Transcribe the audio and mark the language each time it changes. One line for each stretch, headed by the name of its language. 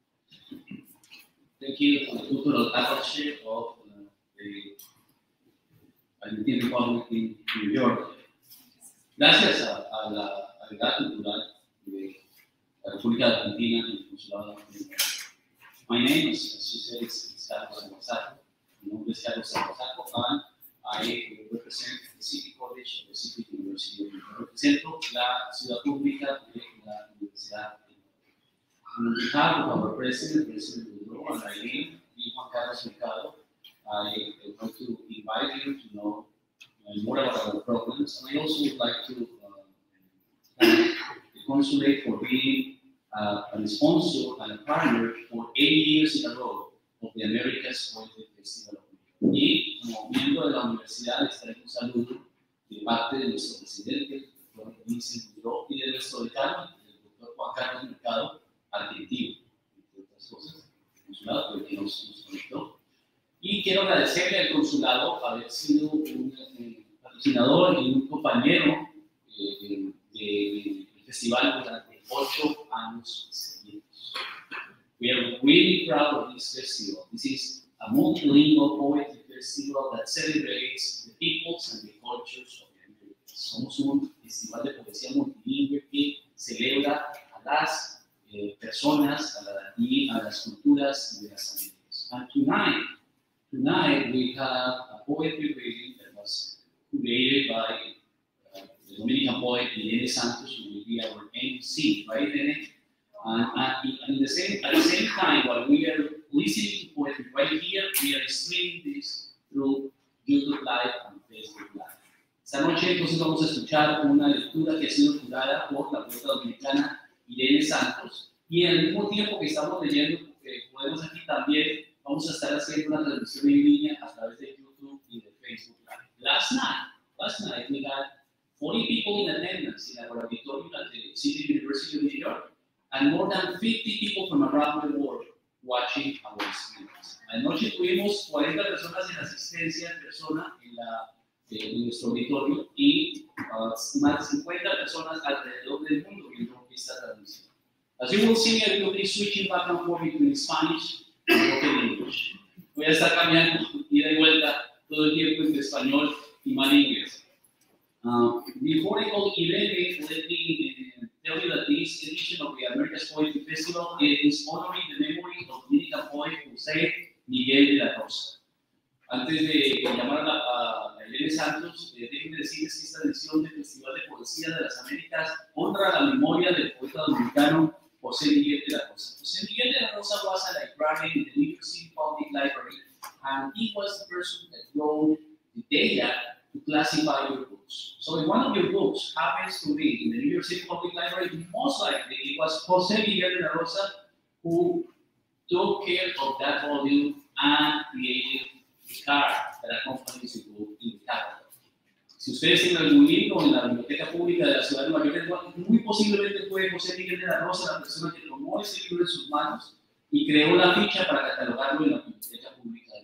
English: thank you for the cultural partnership of the Argentine Republic in New York.
Spanish: Gracias a la calidad cultural de la República Argentina y el Consulado de New York.
English: My name is, as you said, it's Carlos Salazar. My name is Carlos Salazar. I represent the City College of the City University of New York.
Spanish: Represento la ciudad pública de la Universidad de New York.
English: On behalf of our president, President Bruno, and Eileen, y Juan Carlos Mercado, I would like to invite you to know more about our programs. And I also would like to thank the consulate for being a sponsor and a partner for 8 years in a row of the America's Poetry Festival.
Spanish: Y como miembro de la universidad, les traigo un saludo de parte de nuestro presidente, el Dr. Vincent Miró, y de nuestro decano, el Dr. Juan Carlos Mercado, argentino, entre otras cosas, el consulado, porque nos conectó. Y quiero agradecerle al consulado por haber sido un patrocinador y un compañero del festival durante 8 años seguidos.
English: We are really proud of this festival. This is a multilingual poetry festival that celebrates the peoples and the cultures of the Americas.
Spanish: Somos un festival de poesía multilingüe que celebra a las personas y a las culturas de las Américas.
English: And tonight we have a poetry reading that was created by the Dominican poet Elaine Santos, who will be our MC, right, Elaine? And at the same time, while we are listening to poetry right here, we are streaming this through YouTube Live and Facebook Live.
Spanish: Esta noche, entonces, vamos a escuchar una lectura que ha sido curada por la poeta dominicana Irene Santos. Y al mismo tiempo que estamos leyendo, porque podemos aquí también, vamos a estar haciendo una transmisión en línea a través de YouTube y de Facebook Live.
English: Last night, we had 40 people in attendance in our auditorium at the City University of New York, and more than 50 people from around the world watching our streams.
Spanish: Anoche tuvimos 40 personas en asistencia en persona en nuestro auditorio y más de 50 personas alrededor del mundo viendo esta transmisión.
English: As you will see, I will be switching back and forth between Spanish and English.
Spanish: Voy a estar cambiando ida y vuelta todo el tiempo entre español y mal inglés.
English: Before I go to Irene, tell you that this edition of the America's Poetry Festival is honoring the memory of Dominican poet José Miguel de la Rosa.
Spanish: Antes de llamar a Elena Santos, déjenme decirles que esta edición del Festival de Poesía de las Américas honra la memoria del poeta dominicano José Miguel de la Rosa.
English: José Miguel de la Rosa was a librarian in the New York City Public Library, and he was the person that wrote the data to classify your books. So if one of your books happens to be in the New York City Public Library, most likely it was José Miguel de la Rosa who took care of that volume and created the card that accompanies your book in the capital.
Spanish: Si ustedes tienen algún libro en la biblioteca pública de la ciudad de Nueva York, muy posiblemente fue José Miguel de la Rosa la persona que tomó ese libro en sus manos y creó la ficha para catalogarlo en la biblioteca pública.